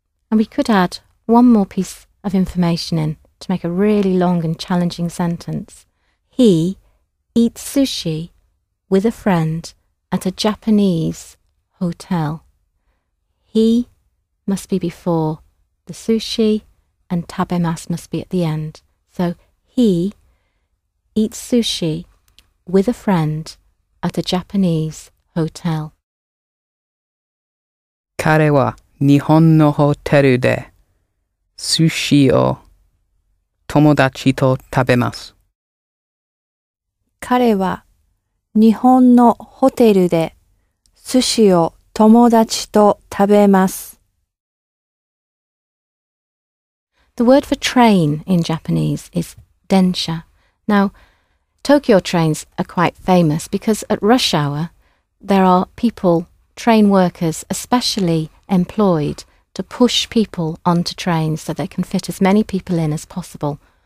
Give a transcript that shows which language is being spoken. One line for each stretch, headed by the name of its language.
English: And we could add one more piece of information in to make a really long and challenging sentence. He eats sushi with a friend at a Japanese hotel. He must be before the sushi and tabemasu must be at the end. So he eats sushi with a friend at a Japanese hotel.
Japanese: 彼は日本のホテルで寿司を友達と食べます。彼は日本のホテルで寿司を友達と食べます。
English: The word for train in Japanese is densha. Now, Tokyo trains are quite famous because at rush hour, there are people, train workers, especially employed to push people onto trains so they can fit as many people in as possible.